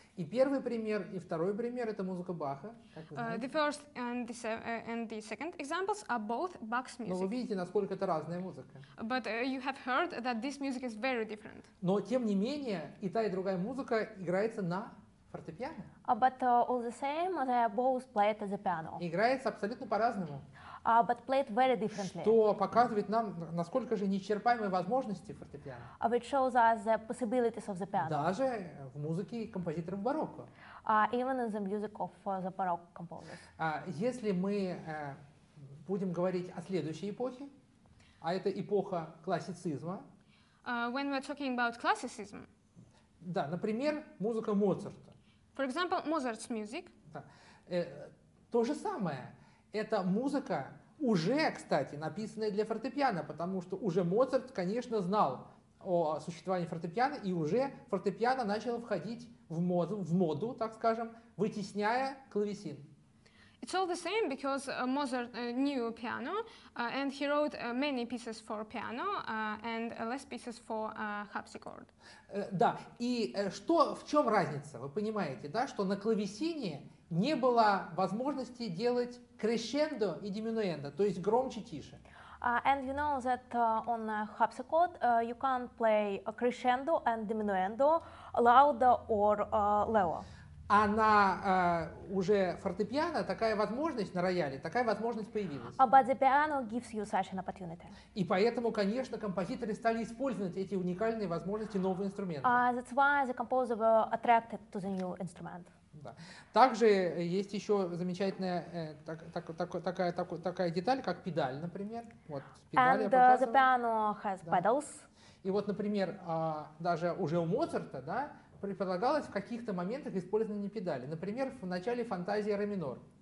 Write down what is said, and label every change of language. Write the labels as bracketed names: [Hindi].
[Russian] И первый пример, и второй пример — это музыка Баха. [English] The first and the second examples are both Bach's music. [Russian] Но вы видите, насколько это разная музыка. [English] But you have heard that this music is very different. [Russian] Но тем не менее, и та, и другая музыка играется на фортепиано. [English] But all the same, they are both played at the piano. [Russian] И играется абсолютно по-разному. [English] But played very differently. [Russian] Что показывает нам, насколько же неисчерпаемы возможности фортепиано. [English] Which shows us the possibilities of the piano. [Russian] Даже в музыке композиторов барокко. [English] Even in the music of the baroque composers. [Russian] Если мы будем говорить о следующей эпохе, а это эпоха классицизма. [English] When we're talking about classicism. [Russian] Да, например, музыка Моцарта. [English] For example, Mozart's music. [Russian] Да. То же самое. Это музыка уже, кстати, написанная для фортепиано, потому что уже Моцарт, конечно, знал о существовании фортепиано, и уже фортепиано начало входить в моду, так скажем, вытесняя клавесин. [English] It's all the same because Mozart knew piano and he wrote many pieces for piano and less pieces for harpsichord. [Russian] Да, и что, в чем разница? Вы понимаете, да, что на клавесине не было возможности делать crescendo и diminuendo, то есть громче, тише. [English] And you know that on a harpsichord you can't play a crescendo and diminuendo louder or lower. [Russian] А на уже фортепиано такая возможность, на рояле такая возможность появилась. [English] But the piano gives you such an opportunity. [Russian] И поэтому, конечно, композиторы стали использовать эти уникальные возможности нового инструмента. [English] That's why the composer were attracted to the new instrument. [Russian] Да. Также есть еще замечательная такая деталь, как педаль, например. Вот, [English] And the piano has pedals. [Russian] Да. И вот, например, даже уже у Моцарта, да, предполагалось в каких-то моментах использование педали. Например, в начале фантазии ре минор.